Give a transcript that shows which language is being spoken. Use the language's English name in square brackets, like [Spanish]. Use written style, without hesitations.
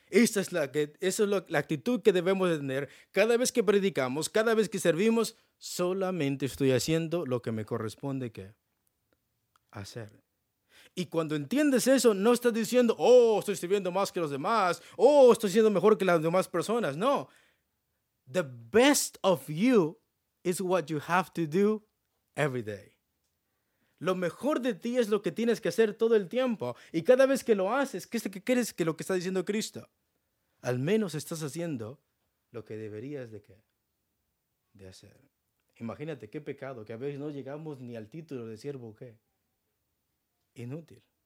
[Spanish] Esa es la actitud que debemos de tener cada vez que predicamos, cada vez que servimos, solamente estoy haciendo lo que me corresponde, ¿qué? Hacer. Y cuando entiendes eso, no estás diciendo, oh, estoy sirviendo más que los demás, oh, estoy siendo mejor que las demás personas. No. [English] The best of you is what you have to do every day. [Spanish] Lo mejor de ti es lo que tienes que hacer todo el tiempo. Y cada vez que lo haces, ¿qué es lo que crees que lo que está diciendo Cristo? Al menos estás haciendo lo que deberías de hacer. Imagínate qué pecado, que a veces no llegamos ni al título de siervo o qué. Inútil.